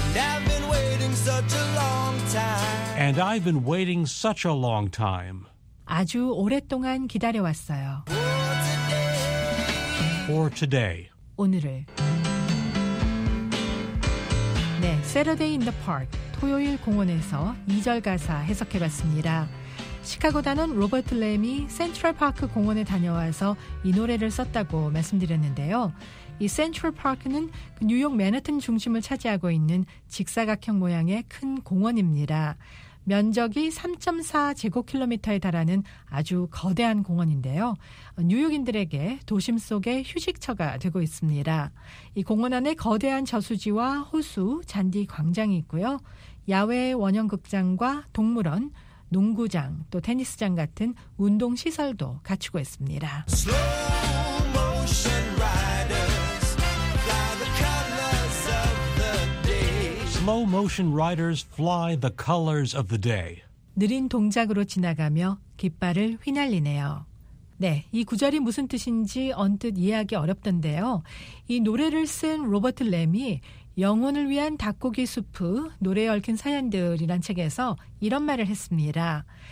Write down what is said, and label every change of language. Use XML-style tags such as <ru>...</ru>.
<en>And I've been waiting such a long time. And I've been waiting such a long time.</en> <ko>아주 오랫동안 기다려왔어요.</ko> <en>For today.</en> <ko>오늘을. Saturday in the Park, 토요일 공원에서 2절 가사 해석해봤습니다. 시카고 단원 로버트 램이 센트럴 파크 공원에 다녀와서 이 노래를 썼다고 말씀드렸는데요. 이 센트럴 파크는 뉴욕 맨해튼 중심을 차지하고 있는 직사각형 모양의 큰 공원입니다. 면적이 3.4제곱킬로미터에 달하는 아주 거대한 공원인데요. 뉴욕인들에게 도심 속의 휴식처가 되고 있습니다. 이 공원 안에 거대한 저수지와 호수, 잔디 광장이 있고요. 야외 원형극장과 동물원, 농구장, 또 테니스장 같은 운동시설도 갖추고 있습니다.</ko> <en>Slow motion riders fly the colors of the day. Slow motion riders fly the colors of the day.</en> <ko>느린 동작으로 지나가며 깃발을 휘날리네요. 네, 이 구절이 무슨 뜻인지 언뜻 이해하기 어렵던데요. 이 노래를 쓴 로버트 램이 영혼을 위한 닭고기 수프, 노래에 얽힌 사연들이란 책에서 이런 말을 했습니다.</ko>